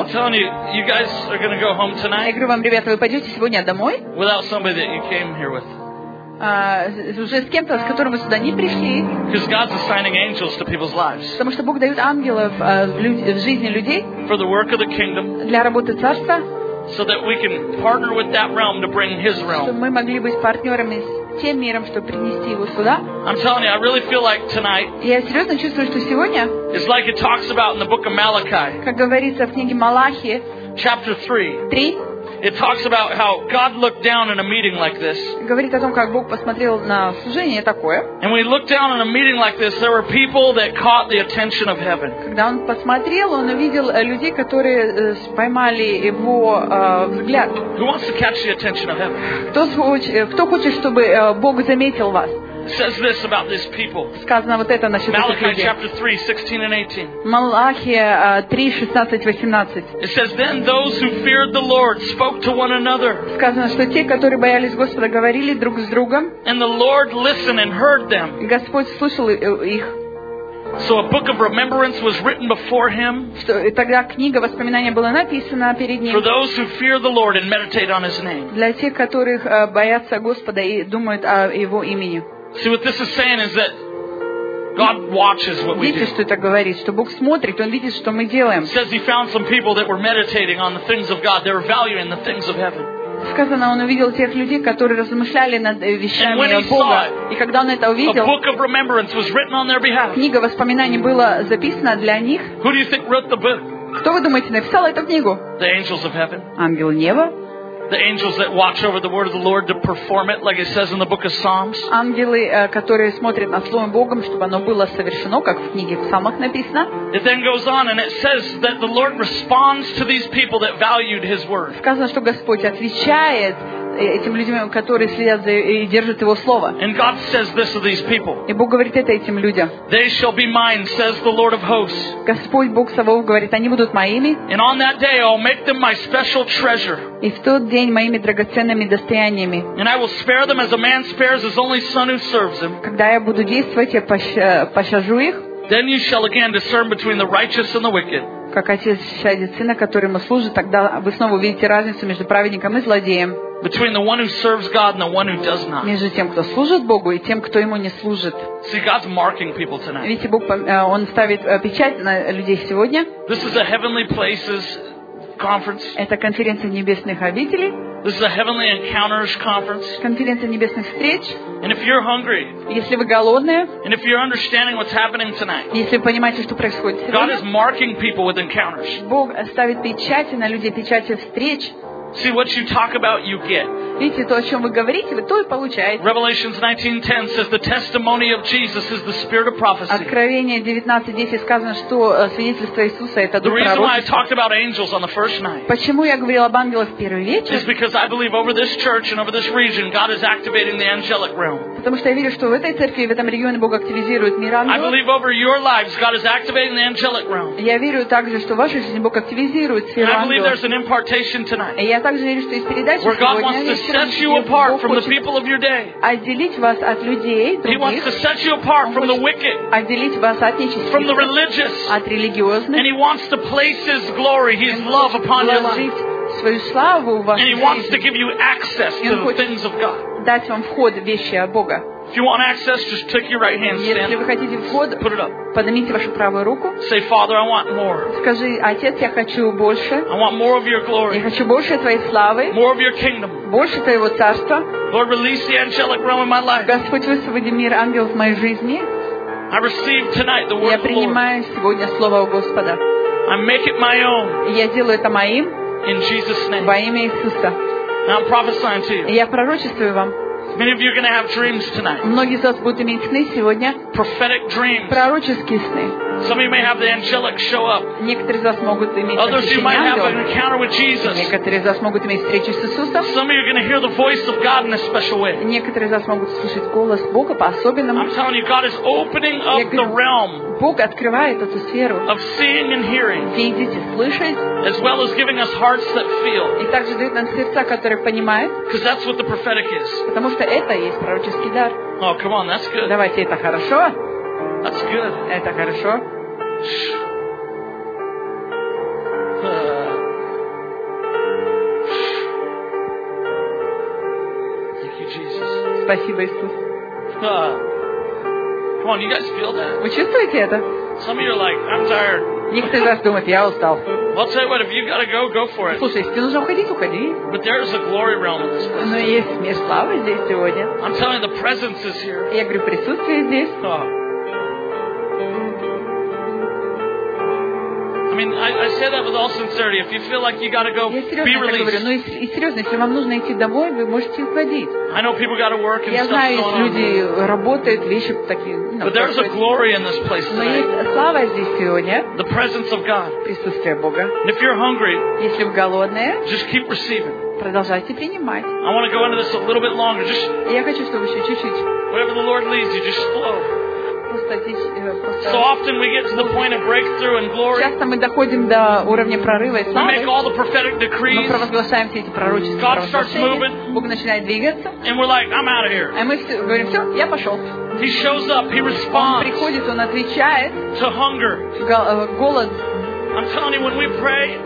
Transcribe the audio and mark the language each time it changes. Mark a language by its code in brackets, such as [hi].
[en] I'm telling you guys are going to go home tonight. [ru] Я говорю вам, ребята, вы пойдете сегодня домой? [en] Without somebody that you came here with. [ru] Уже с кем-то, с которым вы сюда не пришли. [en] Because God's assigning angels to people's lives. [ru] Потому что Бог дает ангелов в жизни людей. [en] For the work of the kingdom. [ru] Для работы царства. [en] so that we can partner with that realm to bring his realm. [ru] Мы могли быть партнёрами с тем миром, чтобы принести его сюда. [en] I'm telling you, I really feel like tonight. [ru] Я серьёзно чувствую, что сегодня. [en] It's like it talks about in the book of Malachi. [ru] Как говорится в книге Малахии. [en] Chapter 3. [ru] 3. [en] It talks about how God looked down in a meeting like this. [ru] Говорит о том, как Бог посмотрел на служение такое. [en] And when he looked down in a meeting like this, there were people that caught the attention of heaven. [ru] Когда он посмотрел, он увидел людей, которые поймали его взгляд. [en] Who wants to catch the attention of heaven? [ru] Кто хочет, чтобы Бог заметил вас? [en] Says this about these people. [ru] Сказано вот это насчёт этих людей. [en] Malachi chapter 3, 16 and 18. [ru] Малахия 3:16-18. [en] It says then those who feared the Lord spoke to one another. [ru] Сказано, что те, которые боялись Господа, говорили друг с другом. [en] And the Lord listened and heard them. [ru] Господь слушал их. [en] So a book of remembrance was written before him. [ru] Тогда книга воспоминания была написана перед ним. [en] For those who fear the Lord and meditate on his name. [ru] Для тех, которых боятся Господа и думают о его имени. [en] See, what this is saying is that God watches what we do. [ru] Видите, что это говорит, что Бог смотрит, он видит, что мы делаем. [en] Says he found some people that were meditating on the things of God. They were valuing the things of heaven. [ru] Сказано, он увидел тех людей, которые размышляли над вещами Бога. И когда он это увидел, [en] a book of remembrance was written on their behalf. [ru] Книга воспоминаний была записана для них. [en] Who do you think wrote the book? [ru] Кто, вы думаете, написал эту книгу? [en] The angels of heaven. [ru] Ангелы неба. [en] The angels that watch over the word of the Lord to perform it, like it says in the book of Psalms. [ru] Ангелы, которые смотрят над Словом Богом, чтобы оно было совершено, как в книге Псалмах написано. [en] It then goes on and it says that the Lord responds to these people that valued his word. [ru] Сказано, что Господь отвечает этим людям, которые следят за и держат его слово. [en] And God says this of these people. [ru] И Бог говорит это этим людям. [en] They shall be mine, says the Lord of hosts. [ru] Господь Бог Савов говорит, они будут моими. [en] And on that day I'll make them my special treasure. [ru] И в тот день моими драгоценными достояниями. [en] And I will spare them as a man spares his only son who serves him. [ru] Когда я буду действовать, я пощажу их. [en] Then you shall again discern between the righteous and the wicked. [ru] Как отец щадит сына, которому служит, тогда вы снова увидите разницу между праведником и злодеем. [en] Between the one who serves God and the one who does not. [ru] Между тем, кто служит Богу, и тем, кто ему не служит. [en] See, God's marking people tonight. [ru] Видите, Бог, он ставит печать на людей сегодня. [en] This is a heavenly places conference. [ru] Это конференция небесных обителей. [en] This is a heavenly encounters conference. [ru] Конференция небесных встреч. [en] And if you're hungry. [ru] Если вы голодные. [en] And if you're understanding what's happening tonight. [ru] Если вы понимаете, что происходит сегодня. [en] God is marking people with encounters. [ru] Бог ставит печати на людей, печати встреч. [en] See what you talk about, you get. [ru] Видите, то, о чем вы говорите, вы то и получаете. [en] Revelation 19:10 says the testimony of Jesus is the spirit of prophecy. [ru] Откровение 19:10 сказано, что свидетельство Иисуса это дух пророчества. [en] The reason why I talked about angels on the first night. [ru] Почему я говорил об ангелах в первый вечер? [en] Is because I believe over this church and over this region, God is activating the angelic realm. [ru] Потому что я верю, что в этой церкви и в этом регионе Бог активизирует мир ангелов. [en] I believe over your lives, God is activating the angelic realm. [ru] Я верю также, что в вашей жизни Бог активизирует мир ангелов. [en] I believe there's an impartation tonight. [ru] Я также верю, что есть передача сегодня. [en] Where God wants to set you apart from the people of your day. [ru] Отделить вас от людей других. [en] He wants to set you apart from the wicked. [ru] Отделить вас от нечестивых. [en] From the religious. [ru] От религиозных. [en] And he wants to place his glory, his love upon your life. [ru] Свою славу в вашей жизни. [en] And he wants to give you access to the things of God. [ru] Дать вам вход в вещи Бога. [en] If you want access, just take your right hand, stand. [ru] Если вы хотите вход, [en] put it up. [ru] Поднимите вашу правую руку. [en] Say, Father, I want more. [ru] Скажи, Отец, я хочу больше. [en] I want more of your glory. [ru] Я хочу больше твоей славы. [en] More of your kingdom. [ru] Больше твоего царства. [en] Lord, release the angelic realm in my life. [ru] Господь, высвободи мир ангелов в моей жизни. [en] I receive tonight the word of the Lord. [ru] Я принимаю сегодня слово Господа. [en] I make it my own. [ru] Я делаю это моим. [en] In Jesus' name. [ru] Во имя Иисуса. [en] Now I'm prophesying to you. [ru] Я пророчествую вам. [en] Many of you are going to have dreams tonight. [ru] Многие из вас будут иметь сны сегодня. [en] Prophetic dreams. [ru] Пророческие сны. [en] Some of you may have the angelic show up. [ru] Некоторые из вас могут иметь. [en] Others you might have an encounter with Jesus. [ru] Некоторые из вас могут иметь встречу с Иисусом. [en] Some of you are going to hear the voice of God in a special way. [ru] Некоторые из вас могут слышать голос Бога по-особенному. [en] I'm telling you, God is opening up the realm. [ru] Бог открывает эту сферу. [en] Of seeing and hearing. [ru] Видеть и слышать. [en] As well as giving us hearts that feel. [ru] И также дает нам сердца, которые понимают. [en] Because that's what the prophetic is. [ru] Потому что это и есть пророческий дар. [en] Oh, come on, that's good. [ru] Давайте, это хорошо. [en] That's good. [ru] Это хорошо. [en] Thank you, Jesus. [ru] Спасибо, Иисус. [en] Come on, you guys feel that? [ru] Вы чувствуете это? [en] Some of you are like, I'm tired. [ru] Некоторые из вас думают, я устал. [en] I'll tell you what, if you've got to go, go for it. [ru] Слушай, если тебе нужно уходить, уходи. [en] But there is a glory realm in this place. [ru] Но есть мир славы здесь сегодня. [en] I'm telling you, the presence is here. [ru] Я говорю, присутствие здесь. [en] I mean, I say that with all sincerity. If you feel like you got to go, be released. [ru] Я серьезно говорю, если вам нужно идти домой, вы можете уходить. [en] I know people got to work and stuff. [ru] Я знаю, люди работают, вещи такие. [en] But there's a glory in this place. [ru] Но есть слава здесь сегодня. [en] The presence of God. [ru] Присутствие Бога. [en] And if you're hungry, [ru] если вы голодные, [en] just keep receiving. [ru] Продолжайте принимать. [en] I want to go into this a little bit longer. Just. [ru] Я хочу, чтобы еще чуть-чуть. [en] Whatever the Lord leads you, just flow. So often we get to the point of breakthrough and glory. [ru] Часто мы доходим до уровня прорыва и славы. [en] We make all the prophetic decrees. [ru] Мы провозглашаем все эти пророчества. [en] God starts moving. [ru] Бог начинает двигаться. [en] And we're like, I'm out of here. [ru] А мы говорим, все, я пошел. [en] He shows up. He responds. [ru] Он приходит, он отвечает. [en] To hunger. [ru] Голод. [en] I'm telling you, when we pray,